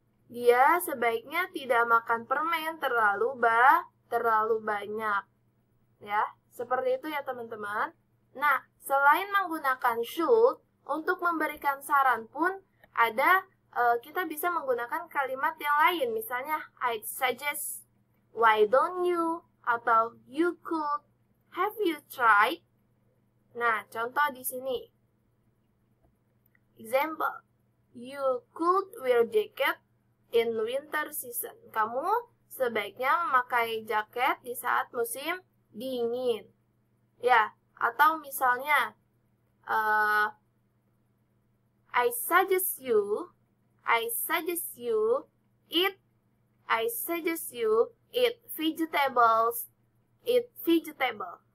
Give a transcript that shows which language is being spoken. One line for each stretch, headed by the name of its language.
Indonesian: Dia sebaiknya tidak makan permen terlalu banyak. Ya. Seperti itu ya teman-teman. Nah, selain menggunakan should, untuk memberikan saran pun ada, kita bisa menggunakan kalimat yang lain.
English: Misalnya, I'd suggest, why don't you, atau you could, have you tried?
Indonesian: Nah, contoh di sini.
English: Example, you could wear jacket in winter season.
Indonesian: Kamu sebaiknya memakai jaket di saat musim dingin. Ya, atau misalnya
English: I suggest you eat I suggest you eat vegetables. Eat vegetable.